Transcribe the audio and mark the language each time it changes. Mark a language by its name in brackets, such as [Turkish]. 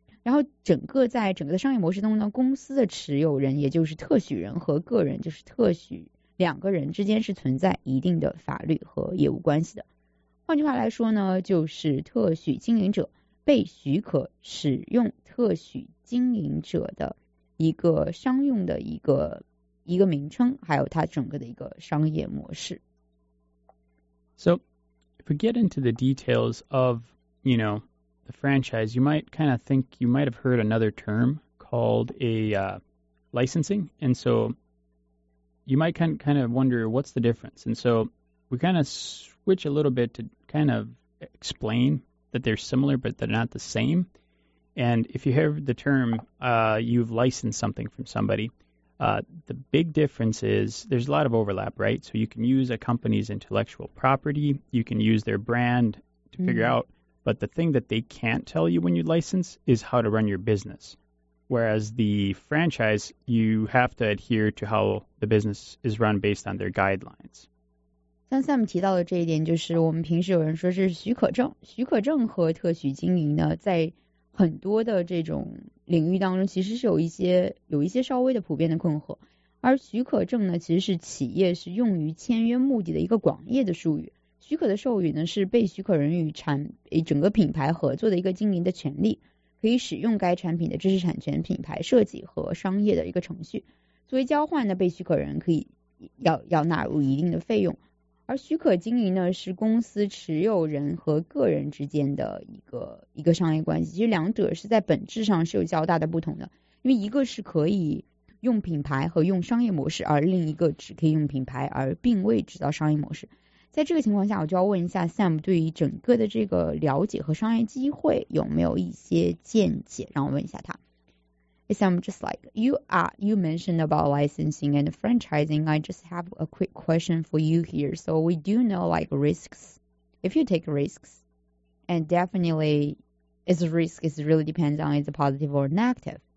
[Chinese] 然后整个在整个的商业模式中呢，公司的持有人也就是特许人和个人就是特许两个人之间是存在一定的法律和业务关系的。换句话来说呢，就是特许经营者被许可使用特许经营者的一个商用的一个名称，还有它整个的一个商业模式。 [English] So, if we get into the details of, you know, the franchise, you might kind of think you might have heard another term called a licensing. And so... You might kind of wonder what's the difference. And so we kind of switch a little bit to kind of explain that they're similar, but they're not the same. And if you hear the term, you've licensed something from somebody, the big difference is there's a lot of overlap, right? So you can use a company's intellectual property. You can use their brand to figure out. But the thing that they can't tell you when you license is how to run your business. Whereas the franchise, you have to adhere to how the business is run based on their guidelines. [Chinese] 像 Sam 提到的这一点，就是我们平时有人说是许可证。许可证和特许经营呢，在很多的这种领域当中，其实是有一些稍微的普遍的困惑。而许可证呢，其实是企业是用于签约目的的一个广义的术语。许可的授予呢，是被许可人与产整个品牌合作的一个经营的权利，可以使用该产品的知识产权、品牌设计和商业的一个程序。作为交换呢，被许可人可以要纳入一定的费用。而许可经营呢，是公司持有人和个人之间的一个商业关系。其实两者是在本质上是有较大的不同的，因为一个是可以用品牌和用商业模式，而另一个只可以用品牌而并未制造商业模式。在这个情况下，我就要问一下 Sam 对于整个的这个了解和商业机会有没有一些见解，让我问一下他。 [English] Sam, just like you mentioned about licensing and franchising, I just have a quick question for you here. So we do know like risks, if you take risks, and definitely it's a risk, it really depends on is it positive or negative.